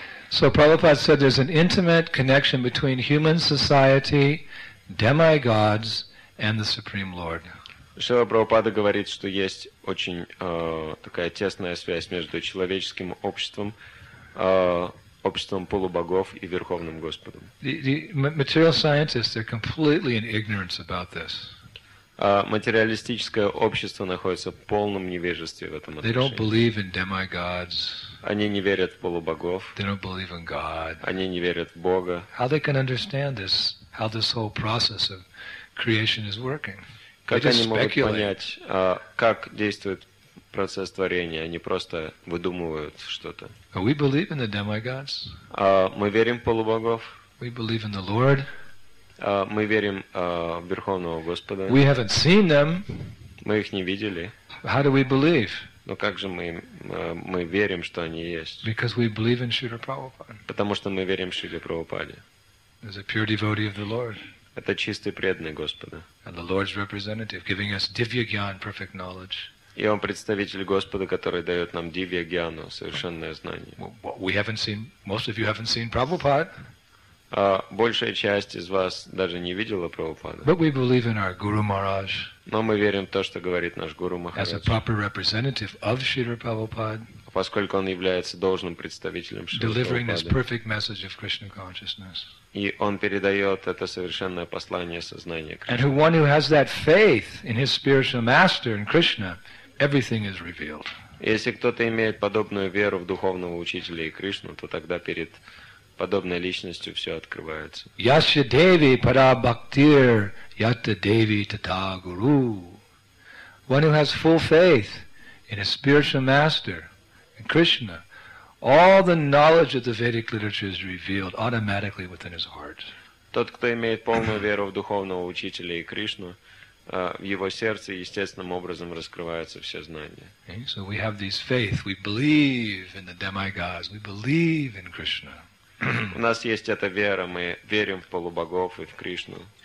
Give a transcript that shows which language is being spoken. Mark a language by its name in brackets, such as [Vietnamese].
[English] So Prabhupada said there's an intimate connection between human society, demigods, and the Supreme Lord. [Russian] Шрила Прабхупада говорит, что есть очень такая тесная связь между человеческим обществом, обществом полубогов и Верховным Господом. [English] The material scientists, they're completely in ignorance about this. [Russian] Материалистическое общество находится в полном невежестве в этом отношении. [English] They don't believe in demigods. [Russian] Они не верят в полубогов. [English] They don't believe in God. [Russian] Они не верят в Бога. [English] How they can understand this, how this whole process of creation is working? [Russian] Как они могут понять, как действует процесс творения? Они просто выдумывают что-то. [English] We believe in the demigods. [Russian] Мы верим в полубогов. [English] We believe in the Lord. [Russian] Мы верим в Верховного Господа. [English] We haven't seen them. [Russian] Мы их не видели. [English] How do we believe? [Russian] Но как же мы верим, что они есть? [English] Because we believe in Śrīla Prabhupāda. [Russian] Потому что мы верим в Śrīla Prabhupāda. [English] As a pure devotee of the Lord. [Russian] Это чистый преданный Господа. [English] And the Lord's representative giving us divya gyan, perfect knowledge. [Russian] И он представитель Господа, который дает нам дивья гьяну, совершенное знание. [English] We haven't seen, most of you haven't seen Prabhupada. [Russian] Большая часть из вас даже не видела Прабхупаду. [English] But we believe in our Guru Maharaj. [Russian] Но мы верим в то, что говорит наш Гуру Махарадж. [English] As a proper representative of Śrīla Prabhupāda. [Russian] Поскольку он является должным представителем Śrīla [English] Prabhupāda. Delivering this perfect message of Krishna consciousness. [Russian] И он передает это совершенное послание сознания Кришны. [English] And who one who has that faith in his spiritual master in Krishna, everything is revealed. [Russian] Если кто-то имеет подобную веру в духовного учителя и Кришну, то тогда перед подобной личностью все открывается. [Sanskrit] Яша Деви пара бхактир ята Деви тата гуру. [English] One who has full faith in a spiritual master, in Krishna, all the knowledge of the Vedic literature is revealed automatically within his heart. [Russian] Тот, кто имеет полную веру в духовного учителя и Кришну, в его сердце естественным образом раскрываются все знания. [English] So we have this faith. We believe in the demigods. We believe in Krishna. [Russian] У нас есть эта вера, мы верим в полубогов и в Кришну.